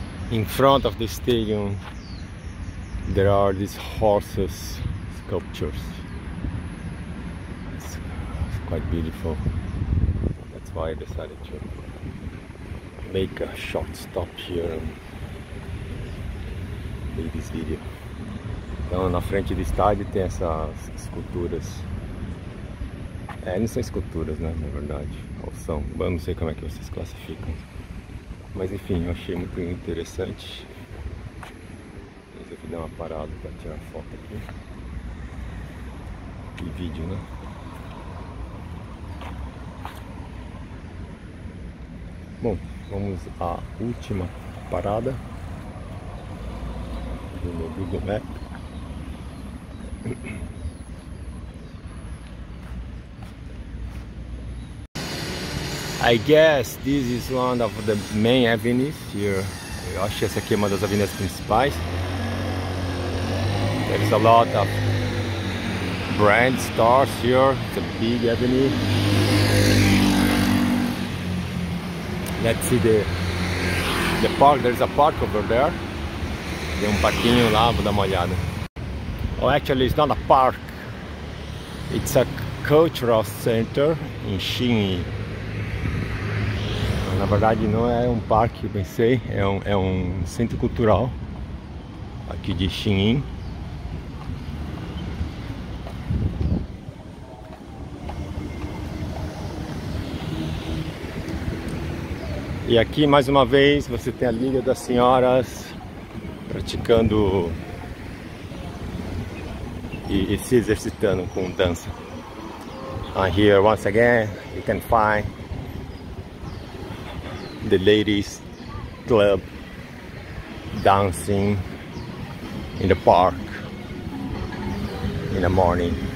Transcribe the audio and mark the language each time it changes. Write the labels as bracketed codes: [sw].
[en] In front of the stadium, there are these horses sculptures. It's quite beautiful. That's why I decided to make a short stop here and make this video. [pt] Então, na frente do estádio tem essas esculturas. É, não são esculturas, né, na verdade. Ou são, eu não sei como é que vocês classificam. Mas enfim, eu achei muito interessante. Eu dei uma parada para tirar foto aqui. E vídeo, né? Bom, vamos à última parada do meu Google Map. [en] I guess this is one of the main avenues here. [pt] Eu acho que essa aqui é uma das avenidas principais. [en] There's a lot of brand stores here. It's a big avenue. Let's see the park. There's a park over there. [pt] Tem um parquinho lá, vou dar uma olhada. [en] Oh, actually, it's not a park. It's a cultural center in Xinyi. [pt] Na verdade, não é um parque, eu pensei. É um centro cultural aqui de Xinyi. E aqui, mais uma vez, você tem a Liga das Senhoras praticando e se exercitando com dança. [en] And here, once again, you can find the ladies club dancing in the park in the morning.